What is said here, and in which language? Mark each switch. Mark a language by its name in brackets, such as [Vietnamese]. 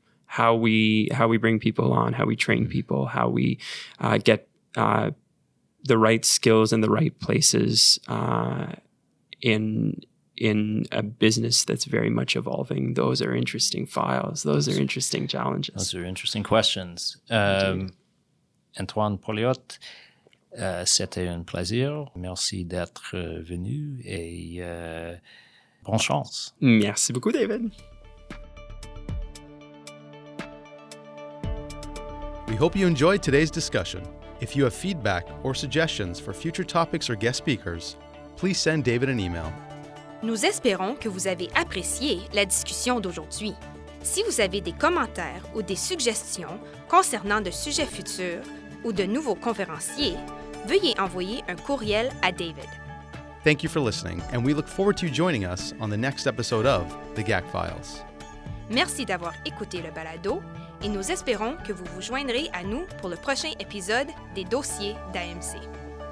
[English] How we bring people on, how we train people, how we get the right skills in the right places in a business that's very much evolving. Those are interesting files. Those are interesting challenges. Those are interesting questions. [French] Antoine Poliot. C'était un plaisir. Merci d'être venu et bonne chance. Merci beaucoup, David. [English] We hope you enjoyed today's discussion. If you have feedback or suggestions for future topics or guest speakers, please send David an email. [French] Nous espérons que vous avez apprécié la discussion d'aujourd'hui. Si vous avez des commentaires ou des suggestions concernant de sujets futurs ou de nouveaux conférenciers, veuillez envoyer un courriel à David. [English] Thank you for listening, and we look forward to you joining us on the next episode of The GAC Files. [French] Merci d'avoir écouté le balado, et nous espérons que vous vous joindrez à nous pour le prochain épisode des dossiers d'AMC.